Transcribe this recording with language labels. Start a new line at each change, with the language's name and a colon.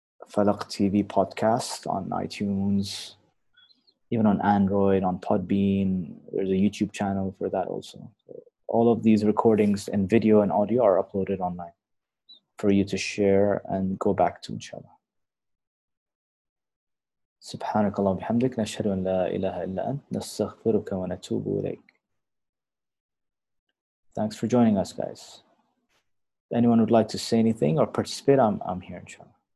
English: Falaq TV podcast on iTunes, even on Android, on Podbean. There's a YouTube channel for that also. So all of these recordings in video and audio are uploaded online for you to share and go back to, inshallah.
Arabic: سبحانك اللهم وبحمدك نشهد أن لا إله إلا أنت نستغفرك ونتوب إليك.
English: Thanks for joining us, guys. If anyone would like to say anything or participate, I'm here, inshallah.